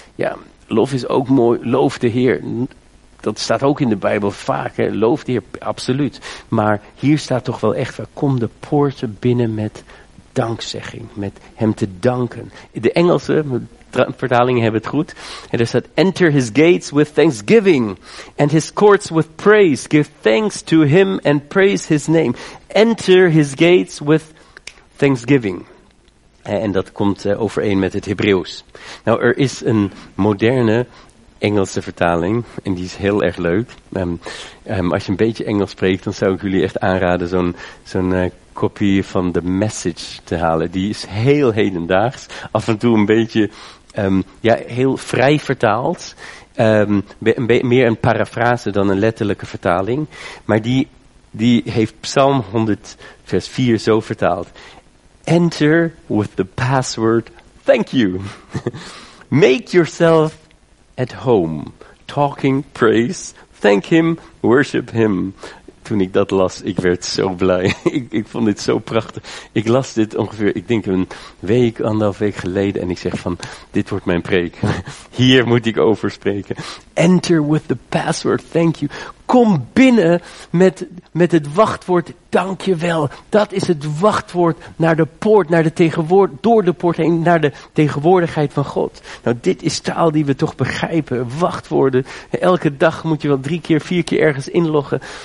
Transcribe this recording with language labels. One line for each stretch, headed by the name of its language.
Dutch: Ja, lof is ook mooi. Loof de Heer. Dat staat ook in de Bijbel vaak. Hè? Loof de Heer, absoluut. Maar hier staat toch wel echt, kom de poorten binnen met dankzegging. Met hem te danken. De Engelse vertalingen hebben het goed. En er staat,
English: enter his gates with thanksgiving. And his courts with praise. Give thanks to him and praise his name. Enter his gates with thanksgiving.
Dutch: En dat komt overeen met het Hebreeuws. Nou, er is een moderne Engelse vertaling. En die is heel erg leuk. Als je een beetje Engels spreekt, dan zou ik jullie echt aanraden zo'n kopie van The Message te halen. Die is heel hedendaags. Af en toe een beetje heel vrij vertaald. Meer een parafrase dan een letterlijke vertaling. Maar die heeft Psalm 100 vers 4 zo vertaald.
English: Enter with the password thank you. Make yourself at home, talking praise, thank him, worship him.
Dutch: Toen ik dat las, ik werd zo blij. Ik vond dit zo prachtig. Ik las dit ongeveer, ik denk een week, anderhalf week geleden. En ik zeg van, dit wordt mijn preek. Hier moet ik over spreken.
English: Enter with the password, thank you.
Dutch: Kom binnen met het wachtwoord, dank je wel. Dat is het wachtwoord naar de poort, door de poort heen, naar de tegenwoordigheid van God. Nou, dit is taal die we toch begrijpen, wachtwoorden. Elke dag moet je wel 3 keer, 4 keer ergens inloggen.